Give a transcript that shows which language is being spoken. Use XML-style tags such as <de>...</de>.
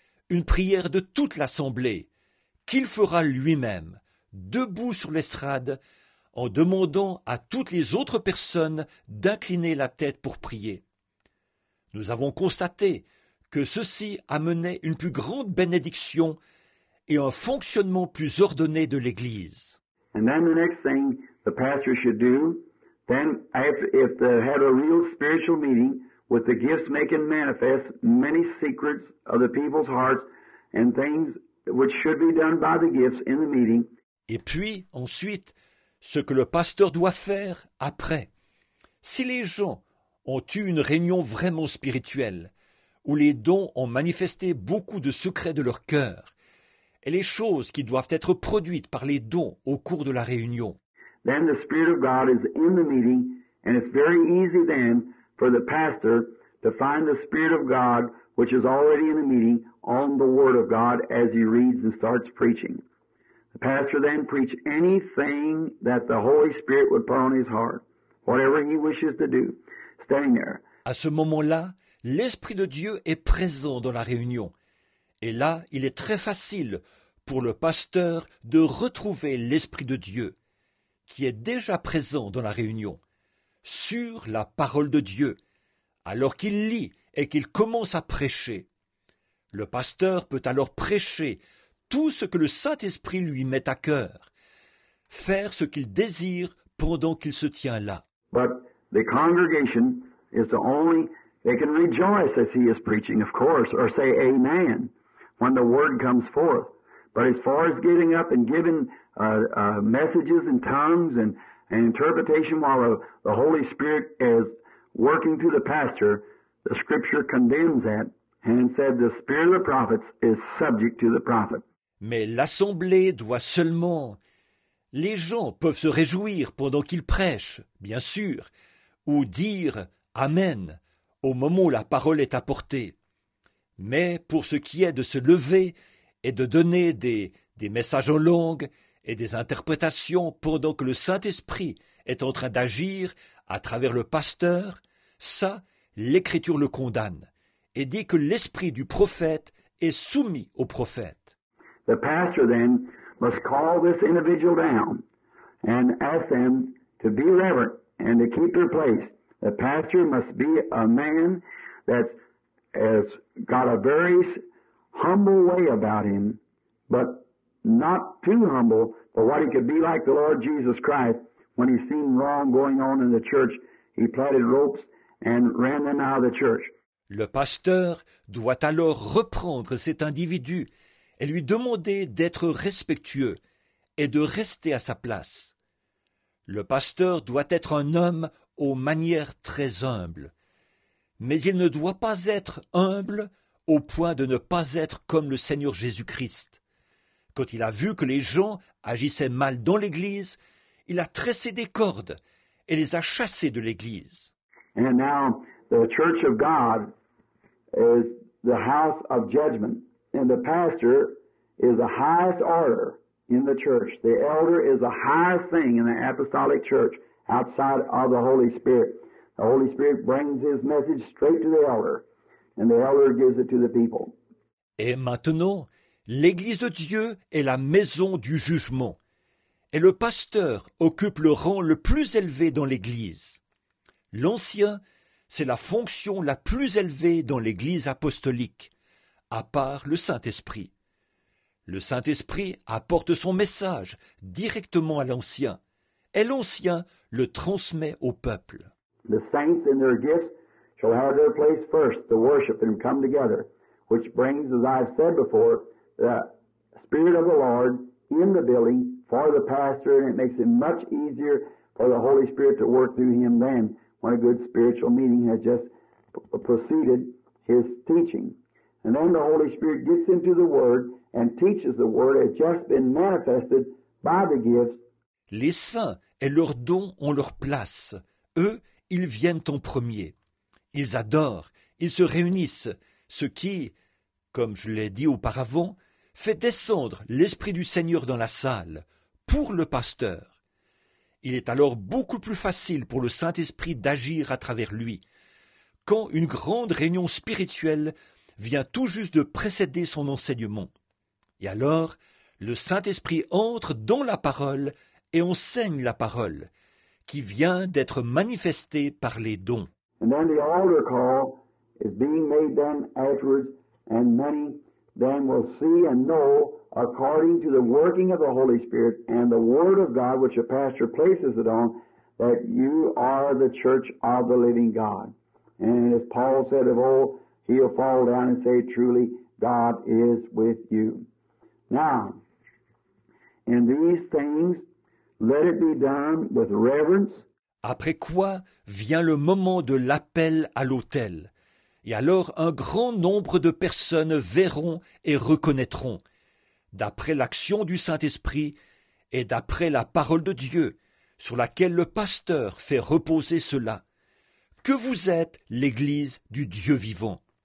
<fr>Une prière de toute l'assemblée, qu'il fera lui-même, debout sur l'estrade, en demandant à toutes les autres personnes d'incliner la tête pour prier. Nous avons constaté que ceci amenait une plus grande bénédiction et un fonctionnement plus ordonné de l'Église.</fr> <en>And then the next thing the pastor should do, then if they had a real spiritual meeting, with the gifts making manifest many secrets of the people's hearts and things which should be done by the gifts in the meeting.</en> <fr>Et puis, ensuite, ce que le pasteur doit faire après. Si les gens ont eu une réunion vraiment spirituelle, où les dons ont manifesté beaucoup de secrets de leur cœur, et les choses qui doivent être produites par les dons au cours de la réunion.</fr> <en>Then the Spirit of God is in the meeting And it's very easy then for the pastor to find the Spirit of God, which is already in the meeting, on the Word of God as he reads and starts preaching. The pastor then preach anything that the Holy Spirit would put on his heart, whatever he wishes to do, standing there.</en> <fr>À ce moment-là, l'Esprit de Dieu est présent dans la réunion. Et là, il est très facile pour le pasteur de retrouver l'Esprit de Dieu, qui est déjà présent dans la réunion, sur la parole de Dieu, alors qu'il lit et qu'il commence à prêcher. Le pasteur peut alors prêcher tout ce que le Saint-Esprit lui met à cœur, faire ce qu'il désire pendant qu'il se tient là.</fr> <en>But the congregation is the only, they can rejoice as he is preaching, of course, or say amen when the word comes forth. But as far as getting up and giving messages and tongues and interpretation while the Holy Spirit is working through the pastor, the Scripture condemns that and said the spirit of the prophets is subject to the prophet.</en> <fr>Mais l'assemblée doit seulement... Les gens peuvent se réjouir pendant qu'ils prêchent, bien sûr, ou dire « Amen » au moment où la parole est apportée. Mais pour ce qui est de se lever et de donner des messages en langue et des interprétations pendant que le Saint-Esprit est en train d'agir à travers le pasteur, ça, l'Écriture le condamne et dit que l'esprit du prophète est soumis au prophète.</fr> <en>The pastor then must call this individual down and ask them to be reverent and to keep their place. The pastor must be a man that has got a very humble way about him, but not too humble for what he could be like the Lord Jesus Christ when he seen wrong going on in the church. He plaited ropes and ran them out of the church.</en> <fr>Le pasteur doit alors reprendre cet individu et lui demander d'être respectueux et de rester à sa place. Le pasteur doit être un homme aux manières très humbles. Mais il ne doit pas être humble au point de ne pas être comme le Seigneur Jésus-Christ. Quand il a vu que les gens agissaient mal dans l'Église, il a tressé des cordes et les a chassés de l'Église.</fr> <en>And now the Church of God is the house of judgment. And the pastor is the highest order in the church. The elder is the highest thing in the apostolic church outside of the Holy Spirit. The Holy Spirit brings his message straight to the elder, and the elder gives it to the people.</en> <fr>Et maintenant, l'Église de Dieu est la maison du jugement. Et le pasteur occupe le rang le plus élevé dans l'Église. L'ancien, c'est la fonction la plus élevée dans l'Église apostolique. À part le Saint-Esprit. Le Saint-Esprit apporte son message directement à l'ancien, et l'ancien le transmet au peuple.</fr> <en>The saints and their gifts shall have their place first to worship and come together, which brings, as I've said before, the Spirit of the Lord in the building for the pastor, and it makes it much easier for the Holy Spirit to work through him then when a good spiritual meeting has just preceded his teaching. And then the Holy Spirit gets into the Word and teaches the Word has just been manifested by the gifts.</en> <fr>Les saints et leurs dons ont leur place. Eux, ils viennent en premier. Ils adorent, ils se réunissent, ce qui, comme je l'ai dit auparavant, fait descendre l'Esprit du Seigneur dans la salle, pour le pasteur. Il est alors beaucoup plus facile pour le Saint-Esprit d'agir à travers lui. Quand une grande réunion spirituelle vient tout juste de précéder son enseignement. Et alors, le Saint-Esprit entre dans la parole et enseigne la parole, qui vient d'être manifestée par les dons.</fr> <en>And then the altar call is being made then afterwards, and many then will see and know according to the working of the Holy Spirit and the Word of God which a pastor places it on, that you are the church of the living God. And as Paul said of old, he'll fall down and say, truly, God is with you. Now, in these things, let it be done with reverence.</en> <fr>Après quoi vient le moment de l'appel à l'autel. Et alors un grand nombre de personnes verront et reconnaîtront, d'après l'action du Saint-Esprit et d'après la parole de Dieu, sur laquelle le pasteur fait reposer cela, que vous êtes l'Église du Dieu vivant.</fr>